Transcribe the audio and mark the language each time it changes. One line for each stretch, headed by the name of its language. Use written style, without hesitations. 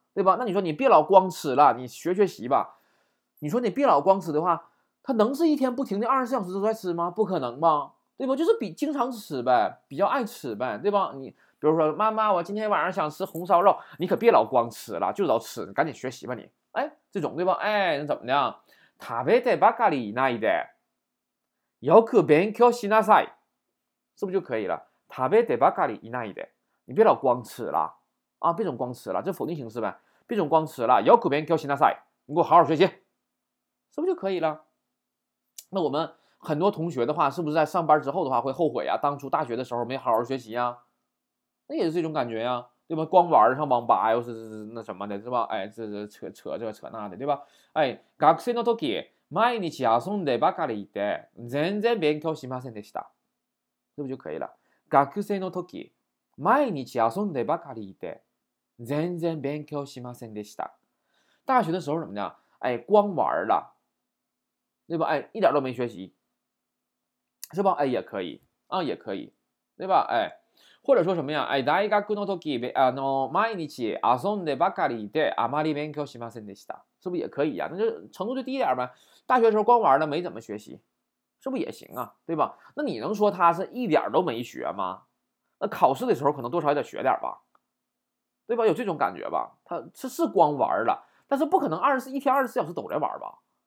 Chinese: 对吧？那你说你别老光吃了，你学习吧。你说你别老光吃的话，他能是一天不停的24小时都在吃吗？不可能吧，对吧？就是比经常吃呗，比较爱吃呗，对吧？你比如说，妈妈，我今天晚上想吃红烧肉，你可别老光吃了，就知道吃，赶紧学习吧，你。哎，这种对吧？哎，那怎么的？
Japanese: 食べてばかりいないで。よく勉強しなさい，
Chinese: 是不是就可以了？
Japanese: 食べてばかりいないで，
Chinese: 你别老光吃了啊，变成光词了，这否定形式呗，变成光词了。要苦边给我写那塞，你给我好好学习，是不是就可以了？那我们很多同学的话，是不是在上班之后的话会后悔啊？当初大学的时候没好好学习呀、啊？那也是这种感觉呀、啊，对吧？光玩上网吧又是那什么的，是吧？哎，这扯这个扯那的，对吧？
Japanese: 哎，学生の時毎日遊んでばかりいて、全然勉強しませんでした。
Chinese: 是不是就可以了？
Japanese: 学生の時毎日遊んでばかりいて、全然勉強しませんでした。
Chinese: 大学的时候怎么样？哎，光玩了，对吧？哎，一点都没学习，是吧？哎，也可以啊，也可以，对吧？哎。或者说什么呀？
Japanese: 哎，大学の時、毎日遊んでばかりいて、あまり勉強しませんでした。
Chinese: 是不是也可以呀？那就程度就低一点呗。大学时候光玩了，没怎么学习，是不是也行啊？对吧？那你能说他是一点都没学吗？那考试的时候可能多少也得学点吧，对吧？有这种感觉吧？他是光玩了，但是不可能一天24小时都在玩吧？